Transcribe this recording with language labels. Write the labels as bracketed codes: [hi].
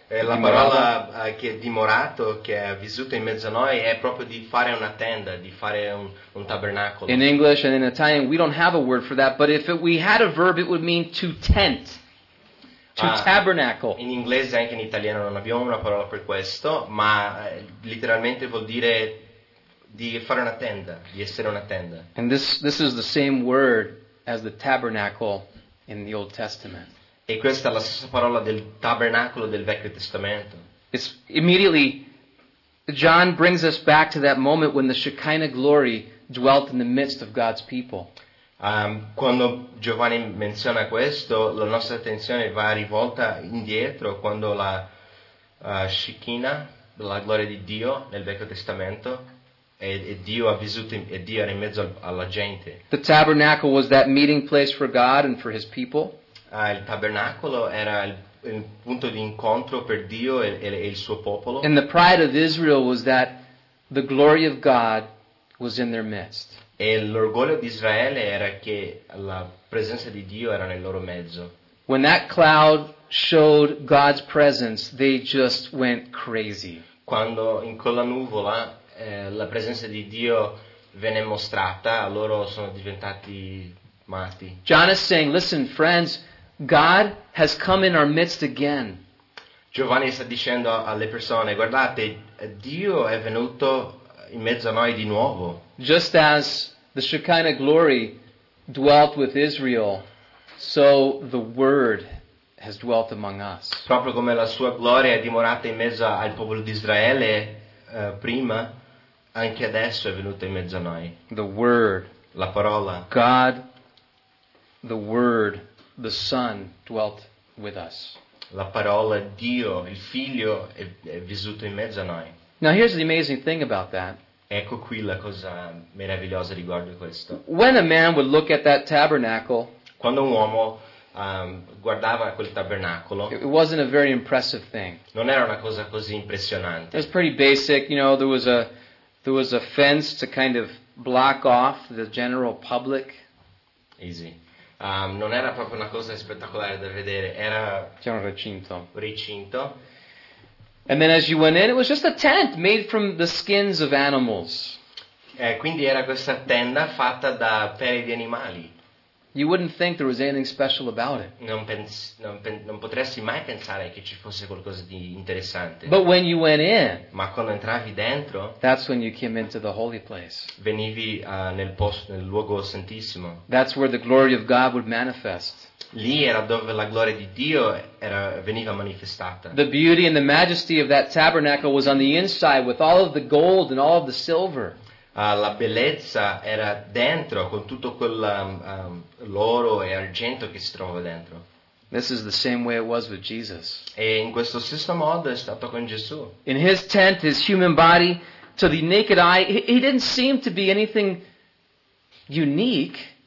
[it] La parola che è dimorato, che è vissuto in mezzo a noi, è proprio di fare una tenda, di fare un tabernacolo. [en] In English and in Italian we don't have a word for that, but if we had a verb it would mean to tent, to tabernacle. [it] In inglese e anche in italiano non abbiamo una parola per questo, ma letteralmente vuol dire di fare una tenda, di essere una tenda. [en] And this is the same word as the tabernacle in the Old Testament. [it] E questa è la stessa parola del tabernacolo del Vecchio Testamento. [en] It's immediately John brings us back to that moment when the Shekinah glory dwelt in the midst of God's people. [it] Quando Giovanni menziona questo, la nostra attenzione va rivolta indietro quando la Shekinah, la gloria di Dio nel Vecchio Testamento, e Dio era in mezzo alla gente. [en] The tabernacle was that meeting place for God and for his people. [it] Il tabernacolo era il punto di incontro per Dio e il suo popolo. [en] And the pride of Israel was that the glory of God was in their midst. [it] E l'orgoglio di Israele era che la presenza di Dio era nel loro mezzo. [en] When that cloud showed God's presence, they just went crazy. [it] Quando in quella nuvola la presenza di Dio venne mostrata, loro sono diventati matti. [en] John is saying, "Listen, friends, God has come in our midst again." [it] Giovanni sta dicendo alle persone, guardate, Dio è venuto in mezzo a noi di nuovo. [en] Just as the Shekinah glory dwelt with Israel, so the Word has dwelt among us. [it] Proprio come la sua gloria è dimorata in mezzo al popolo di Israele prima, anche adesso è venuta in mezzo a noi. [en] The Word. [it] La parola. [en] God, the Word. The Son dwelt with us. [it] La parola Dio, il Figlio, è vissuto in mezzo a noi. [en] Now here's the amazing thing about that. [it] Ecco qui la cosa meravigliosa riguardo questo. [en] When a man would look at that tabernacle, [it] quando un uomo guardava quel tabernacolo. [en] It wasn't a very impressive thing. [it] Non era una cosa così impressionante. [en] It was pretty basic, you know, there was a fence to kind of block off the general public. Easy. [it] Non era proprio una cosa spettacolare da vedere, era c'era un recinto. Recinto. [en] And then as you went in, it was just a tent made from the skins of animals. [it] Quindi era questa tenda fatta da pelle di animali. [en] You wouldn't think there was anything special about it. [it] Non potresti mai pensare che ci fosse qualcosa di interessante. [en] But when you went in, [it] ma quando entravi dentro, [en] that's when you came into the holy place. [it] Venivi nel luogo santissimo. [en] That's where the glory of God would manifest. [it] Lì era dove la gloria di Dio veniva manifestata. [en] The beauty and the majesty of that tabernacle was on the inside, with all of the gold and all of the silver. [it] La bellezza era dentro, con tutto quel l'oro e argento che si trova dentro. [en] This is the same way it was with Jesus. [it] E in questo stesso modo è stato con Gesù. [en] In his tent, his human body, to the naked eye, he didn't seem to be anything unique.